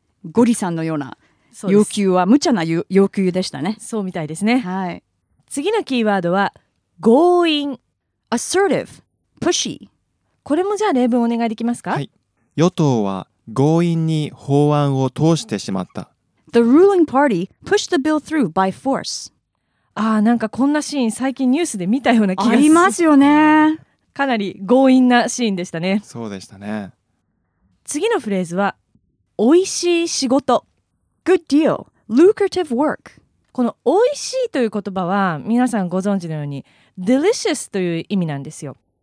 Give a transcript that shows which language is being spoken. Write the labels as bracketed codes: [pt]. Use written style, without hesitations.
[ja] ゴリさんのような要求は無茶な要求でしたね。そうみたいですね。はい。次のキーワードは強引。 [en] Assertive. Pushy. [ja] これもじゃあ例文お願いできますか？はい。与党は強引に法案を通してしまった。 [en] The ruling party pushed the bill through by force. [ja] ああ、なんかこんなシーン最近ニュースで見たような気がします。ありますよね。かなり強引なシーンでしたね。そうでしたね。次のフレーズは、おいしい仕事。 [en] Good deal. Lucrative work. [ja] この美味しいという言葉は皆さんご存知のように delicious という意味なんですよ。